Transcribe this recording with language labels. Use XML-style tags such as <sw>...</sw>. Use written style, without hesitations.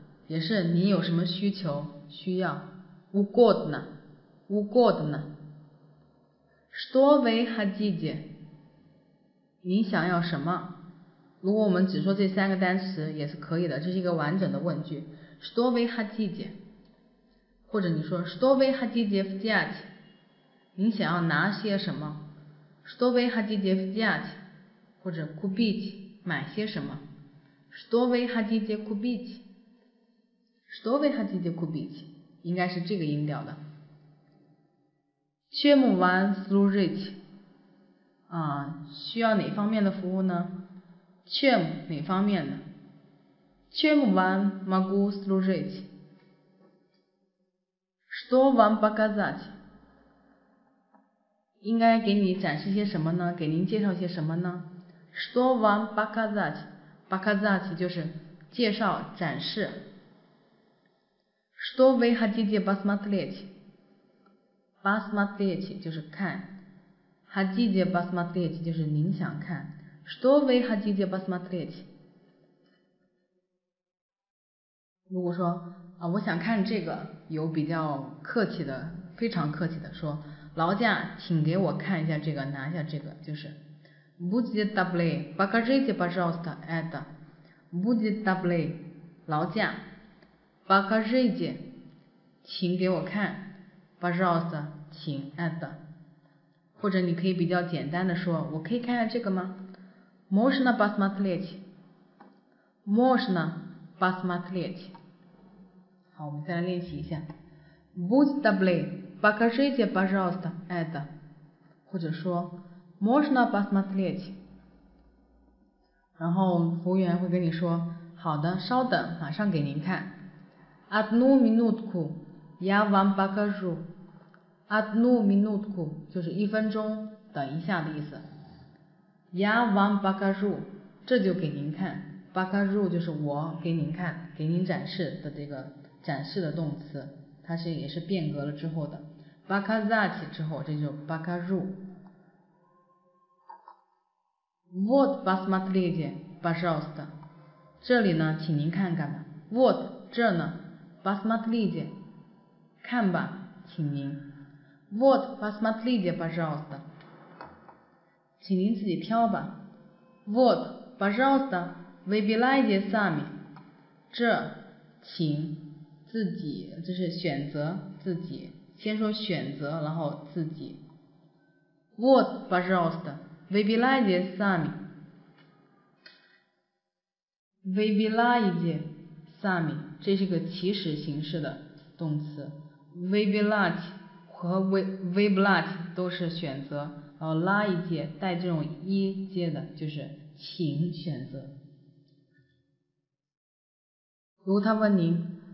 <zh>也是您有什么需求需要。</zh> <ru>угодно угодно。 Что вы хотите?</ru> <zh>你想要什么？如果我们只说这三个单词也是可以的，这是一个完整的问句。</zh> <ru>Что вы хотите?</ru> <zh>或者你说</zh> <ru>Что вы хотите взять?</ru> <zh>你想要拿些什么？</zh> <ru>Что вы хотите взять?</ru> <zh>或者</zh> <ru>купить</ru> <zh>买些什么？</zh> <ru>Что вы хотите купить? Что вы хотите купить?</ru> <zh>应该是这个音调的。</zh> <ru>Чем вам служить?</ru> <zh>啊，需要哪方面的服务呢？</zh> <ru>Чем</ru> <zh>哪方面的？</zh> <ru>Чем вам могу служить? Что вам показать?</ru> <zh>应该给你展示些什么呢？给您介绍些什么呢？</zh> <ru>Что вам показать? Показать</ru> <zh>就是介绍展示。</zh> <ru>Что вы хотите посмотреть? Посмотреть</ru> <zh>就是看。</zh> <ru>Хотите посмотреть</ru> <zh>就是您想看。</zh> <ru>Что вы хотите посмотреть?</ru> <zh>如果说啊，我想看这个，有比较客气的，非常客气的说，劳驾，请给我看一下这个，拿一下这个，就是。</zh> <ru>Будьте добры, покажите, пожалуйста, это. Будьте добры,</ru> <zh>劳驾。</zh> <ru>Покажите,</ru> <zh>请给我看。</zh> <ru>Пожалуйста,</ru> <zh>请</zh> <ru>это。</ru> <zh>或者你可以比较简单的说，我可以看一下这个吗？</zh> <ru>Можно посмотреть? Можно посмотреть?</ru> <zh>好，我们再来练习一下。</zh> <ru>Будь добры, покажите, пожалуйста, это。</ru> <zh>或者说</zh> <ru>Можно посмотреть?</ru> <zh>然后服务员会跟你说，好的，稍等，马上给您看。</zh> <ru>Одну минутку, я вам покажу. Одну минутку,</ru> <zh>就是一分钟等一下的意思。</zh> <ru>Я вам покажу,</ru> <zh>这就给您看。</zh> <ru>Покажу</ru> <zh>就是我给您看，给您展示的这个展示的动词，它是也是变格了之后的。</zh> <ru>Показать</ru> <zh>之后，这就是</zh> <ru>покажу。 Вот посмотрите, пожалуйста.</ru> <zh>这里呢，请您看看吧。</zh> <ru>Вот</ru> <zh>这呢。</zh> <ru>Посмотрите,</ru> <zh>看吧，请您。</zh> <ru>Вот, посмотрите, пожалуйста,</ru> <zh>请您自己挑吧。</zh> <ru>Вот, пожалуйста, выбирайте сами,</ru> <zh>这，请自己，就是选择自己。先说选择，然后自己。</zh> <ru>Вот, пожалуйста, выбирайте сами, выбирайте сами.</ru> <zh>这是个祈使形式的动词</zh> <ru>выбирать</ru> <zh>和</zh> <ru>выбрать</ru> <zh>都是选择，然后拉一阶带这种一阶的就是请选择。如果他问您</zh>